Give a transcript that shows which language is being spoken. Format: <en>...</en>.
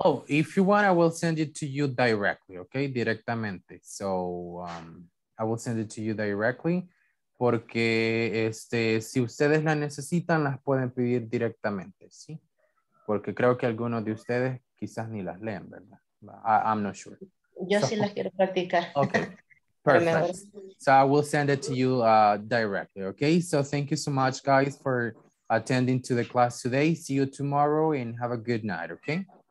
<en>Oh, if you want, I will send it to you directly, okay? Directamente. So, I will send it to you directly.</en> <es>Porque, este, si ustedes la necesitan, las pueden pedir directamente, ¿sí? Porque creo que algunos de ustedes quizás ni las leen, ¿verdad?</es> <en>I'm not sure.</en> <es>Yo so, sí las quiero practicar.</es> <en>Okay, perfect. So, I will send it to you directly, okay? So, thank you so much, guys, for attending to the class today. See you tomorrow and have a good night, okay?</en>